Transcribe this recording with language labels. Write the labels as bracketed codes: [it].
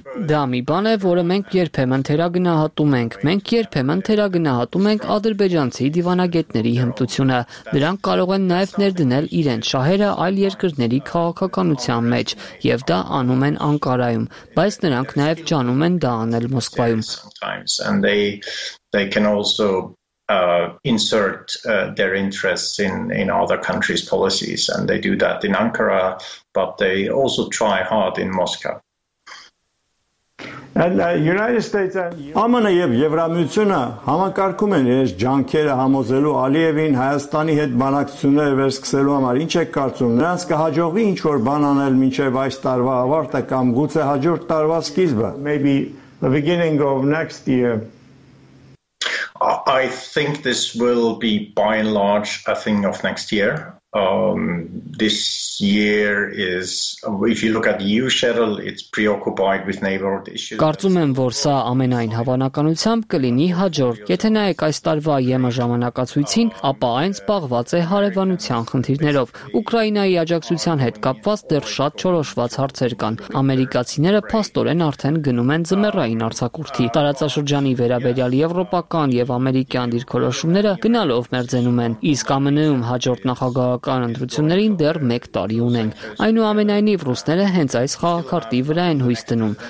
[hy] Դա մի բան է, որը մենք երբեմն թերագնահատում ենք։ Մենք երբեմն թերագնահատում ենք ադրբեջանցի դիվանագետների հմտությունը։ Նրանք կարող են նաև ներդնել իրենց շահերը այլ երկրների քաղաքականության մեջ, եւ դա անում են Անկարայում, բայց նրանք նաև ճանում են դա անել Մոսկվայում։ [en] They can also insert their interests in other countries' policies, and they do that in Ankara, but they also try hard in Moscow. And United States and [hy] ԱՄՆ-ը եւ Եվրամիությունը համակարգում են իրենց ջանքերը համոզելու Ալիևին Հայաստանի հետ բանակցությունները վերսկսելու համար։ Ինչ է կարծում, նրանց կհաջողվի ինչ որ բան անել մինչեւ այս տարվա ավարտը կամ գուցե հաջորդ տարվա սկիզբը? [en] Maybe the beginning of next year. I think this will be by and large a thing of next year. This year is, if you look at the EU schedule, it's preoccupied with neighborhood issues. [hy] Կարծում եմ, որ սա ամենայն հավանականությամբ կլինի հաջորդ, եթե նայեք այս տարվա ԵՄ ժամանակացույցին, ապա այն զբաղված է հարևանության խնդիրներով։ Ուկրաինայի աջակցության հետ կապված դեռ շատ չորոշված հարցեր կան։ Ամերիկացիները փաստորեն արդեն գնում են զմերային արձակուրդի։ Տարածաշրջանի վերաբերյալ եվրոպական եւ ամերիկյան դիրքորոշումները գնալով մերձենում են, իսկ ԱՄՆ-ում հաջորդ նախագահ քաղաքական ընտրություններին դեռ 1 տարի ունենք։ Այնուամենայնիվ ռուսները հենց այս խաղակարտի վրա են հույս դնում,